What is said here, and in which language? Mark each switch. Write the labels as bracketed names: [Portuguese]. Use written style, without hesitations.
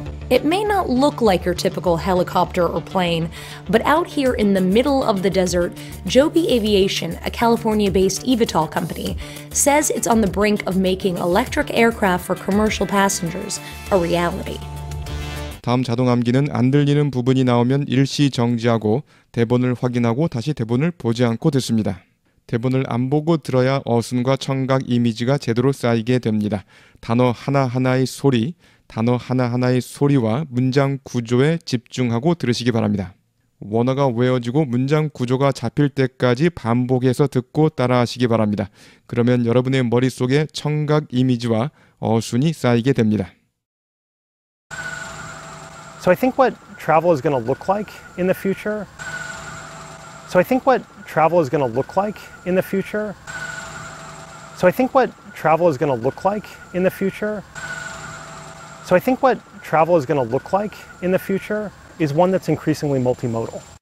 [English] It may not look like your typical helicopter or plane, but out here in the middle of the desert, Joby Aviation, a California-based eVTOL company, says it's on the brink of making electric aircraft for commercial passengers a reality. [Korean] 다음 자동 암기는 안 들리는 부분이 나오면 일시 정지하고 대본을 확인하고 다시 대본을 보지 않고 듣습니다. 대본을 안 보고 들어야 어순과 청각 이미지가 제대로 쌓이게 됩니다. 단어 하나하나의 소리, 단어 하나하나의 소리와 문장 구조에 집중하고 들으시기 바랍니다. 원어가 외워지고 문장 구조가 잡힐 때까지 반복해서 듣고 따라하시기 바랍니다. 그러면 여러분의 머릿속에 청각 이미지와 어순이 쌓이게 됩니다. [English] So I think what travel is going to look like in the future. So I think what travel is going to look like in the future. So I think what travel is going to look like in the future. So I think what travel is going to look like in the future is one that's increasingly multimodal.